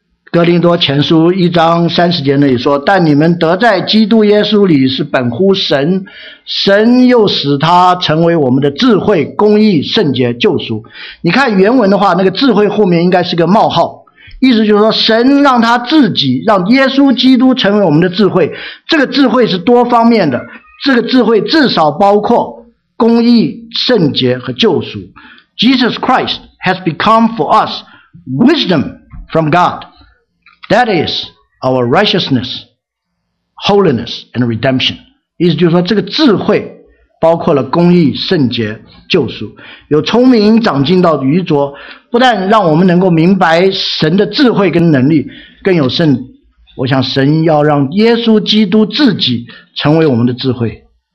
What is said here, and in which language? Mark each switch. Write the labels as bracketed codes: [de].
[zh] 哥林多前书一章三十节那里说，但你们得在基督耶稣里是本乎神，神又使他成为我们的智慧、公义、圣洁、救赎。你看原文的话，那个智慧后面应该是个冒号，意思就是说神让他自己，让耶稣基督成为我们的智慧。这个智慧是多方面的，这个智慧至少包括公义、圣洁和救赎。 [en] Jesus Christ has become for us wisdom from GodThat is our righteousness, holiness, and redemption. [zh] 意思就是说，这个智慧包括了公义、圣洁、救赎，有聪明长进到愚拙，不但让我们能够明白神的智慧跟能力，更有甚，我想神要让耶稣基督自己成为我们的智慧。